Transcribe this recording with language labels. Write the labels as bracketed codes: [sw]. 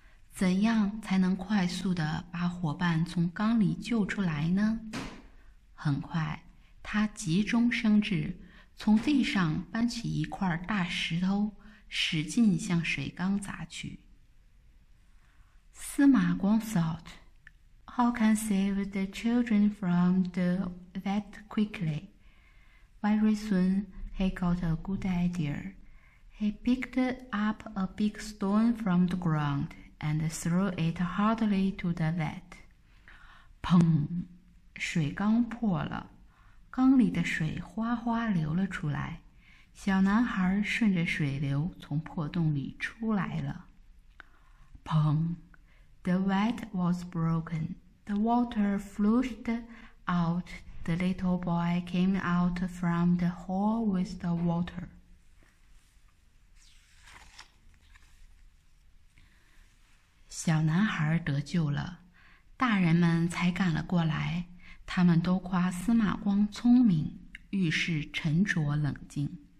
[zh] 怎样才能快速地把伙伴从缸里救出来呢？很快，他急中生智，从地上搬起一块大石头，使劲向水缸砸去。 [en] 司马光 thought, How can save the children from the vat quickly? Very soon, he got a good idea. He picked up a big stone from the ground. And threw it hardly to the vat. 砰！ [zh] 水缸破了，缸里的水哗哗流了出来。小男孩顺着水流从破洞里出来了。 [en] 砰！The vat was broken. The water flushed out. The little boy came out from the hole with the water. [zh] 小男孩得救了，大人们才赶了过来，他们都夸司马光聪明，遇事沉着冷静。